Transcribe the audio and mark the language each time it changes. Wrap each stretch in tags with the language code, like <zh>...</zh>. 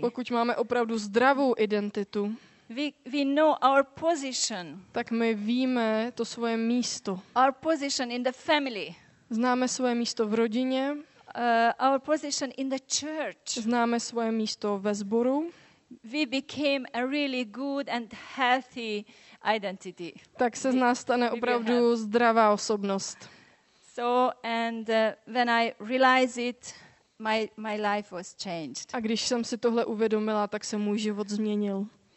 <cs>Pokud máme opravdu zdravou identitu.</cs> <en>We know our position.</en> <cs>Tak my víme to svoje místo.</cs> <en>Our position in the family.</en> <cs>Známe svoje místo v rodině.</cs> <en>Our position in the church.</en> <cs>Známe svoje místo ve sboru.</cs> <en>We became a really good and healthy identity.</en> <cs>Tak se z nás stane opravdu zdravá osobnost.</cs> <en>So and when I realize it, my life was changed.</en> <cs>A když jsem si tohle uvědomila, tak se můj život změnil.</cs>